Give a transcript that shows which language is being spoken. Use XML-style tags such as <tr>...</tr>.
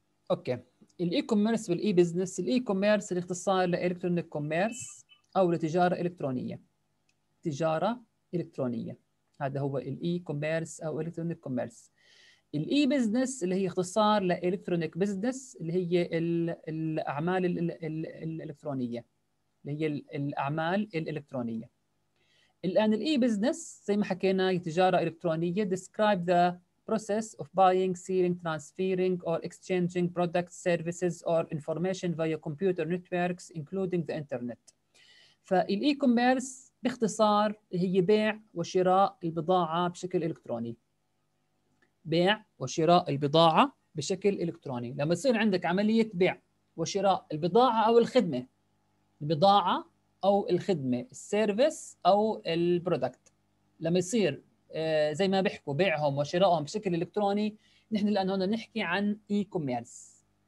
<ar>أوكي، الإي كوميرس والإي بزنس، الإي كوميرس الاختصار لإلكترونيك كوميرس أو لتجارة إلكترونية، تجارة إلكترونية، هذا هو الإي كوميرس أو إلكترونيك كوميرس. الإي بزنس اللي هي اختصار لإلكترونيك بزنس، اللي هي الأعمال الإلكترونية، اللي هي الأعمال الإلكترونية. الآن الإي بزنس زي ما حكينا تجارة إلكترونية،</ar> <en>describe the process of buying, selling, transferring or exchanging products, services or information via computer networks including the internet.</en> <ar>فالإي كوميرس باختصار هي بيع وشراء البضاعة بشكل إلكتروني، بيع وشراء البضاعة بشكل إلكتروني. لما يصير عندك عملية بيع وشراء البضاعة أو الخدمة، البضاعة أو الخدمة، السيرفيس أو البرودكت، لما يصير زي ما بيحكوا بيعهم وشراءهم بشكل إلكتروني، نحن الآن هنا نحكي عن إي كوميرس.</ar>